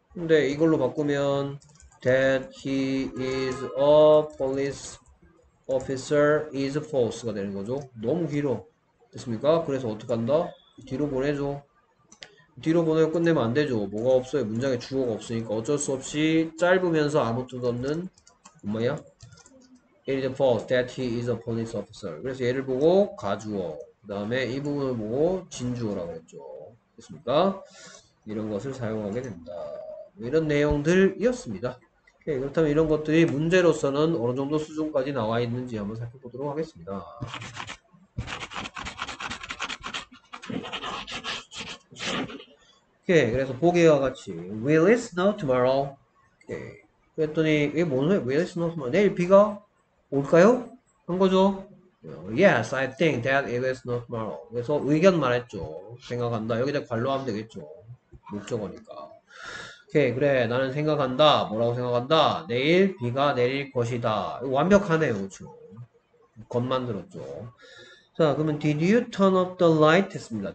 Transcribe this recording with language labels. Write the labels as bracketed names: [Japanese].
[Korean] 근데 이걸로 바꾸면 [English] That he is a police Officer is false [Korean] 가 되는 거죠. 너무 길어. 됐습니까? 그래서 어떻게 한다? 뒤로 보내줘. 뒤로 보내고 끝내면 안 되죠. 뭐가 없어요. 문장에 주어가 없으니까 어쩔 수 없이 짧으면서 아무 뜻 없는 뭐야? [English] It is false that he is a police officer. [Korean] 그래서 얘를 보고 가주어. 그다음에 이 부분을 보고 진주어라고 했죠. 됐습니까? 이런 것을 사용하게 된다. 이런 내용들이었습니다. 예, 그렇다면 이런 것들이 문제로서는 어느 정도 수준까지 나와 있는지 한번 살펴보도록 하겠습니다. 오케이, 그래서 보기와 같이 [English] Will it snow tomorrow? [Korean] 오케이. 그랬더니 이게 뭔 소리야? [English] Will it snow tomorrow? [Korean] 내일 비가 올까요? 한 거죠? [English] Yes, I think that it will snow tomorrow. [Korean] 그래서 의견 말했죠. 생각한다. 여기다 관로하면 되겠죠. 목적어니까. 오케이, 그래. 나는 생각한다. 뭐라고 생각한다? 내일 비가 내릴 것이다. 완벽하네요, 그렇죠? 겉 만들었죠. 자, 그러면 [English] Did you turn off the light? [Korean] 했습니다.